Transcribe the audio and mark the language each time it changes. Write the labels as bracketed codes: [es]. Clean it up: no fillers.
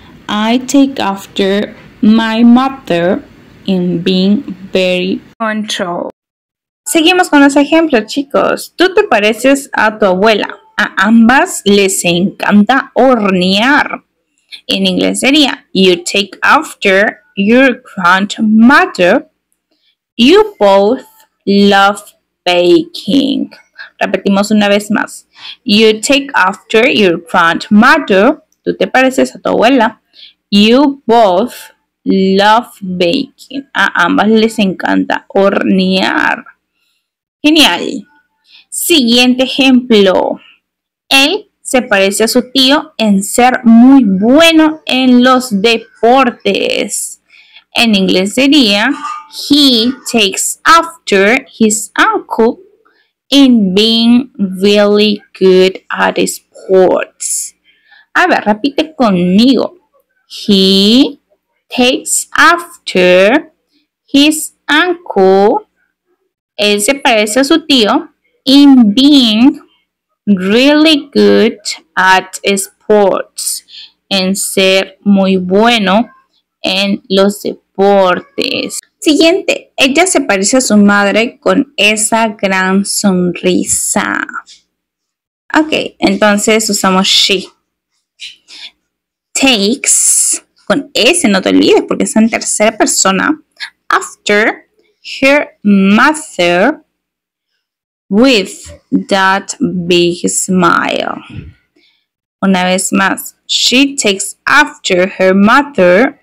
[en] I take after my mother in being very punctual. [es] Seguimos con los ejemplos, chicos. Tú te pareces a tu abuela. A ambas les encanta hornear. En inglés sería [en] you take after your grandmother. You both love baking. [es] Repetimos una vez más. [en] You take after your grandmother. [es] Tú te pareces a tu abuela. [en] You both love baking. [es] A ambas les encanta hornear. Genial. Siguiente ejemplo. Él se parece a su tío en ser muy bueno en los deportes. En inglés sería [en] he takes after his uncle in being really good at sports. [es] A ver, repite conmigo. [en] He takes after his uncle. [es] Él se parece a su tío [en] in being really good at sports. [es] En ser muy bueno en los deportes. Siguiente. Ella se parece a su madre con esa gran sonrisa. Ok, entonces usamos she. Takes, con S, no te olvides porque es en tercera persona. [en] After. Her mother with that big smile. [es] Una vez más, [en] she takes after her mother.